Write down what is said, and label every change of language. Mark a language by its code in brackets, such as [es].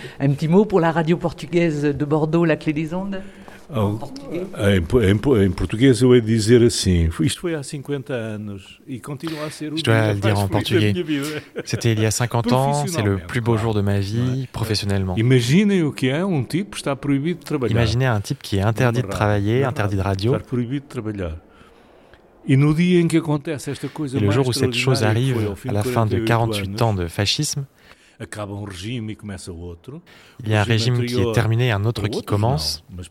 [fr] Un petit mot pour la radio portugaise de Bordeaux, La Clé des Ondes. En portugais, je vais dire ça. [pt] Isto é há 50 anos. E continua a ser o dia. [fr] Je dois le dire en portugais. C'était il y a 50 ans, c'est le plus beau jour de ma vie, professionnellement. [pt] Imaginez o que é um tipo está proibido de trabalhar. [fr] Imaginez un type qui est interdit de travailler, interdit de radio. [pt] Está proibido de trabalhar. E no dia em que acontece esta coisa. [fr] Le jour où cette chose arrive, à la fin de 48 ans de fascisme. Il y a un régime qui est terminé et un autre qui commence.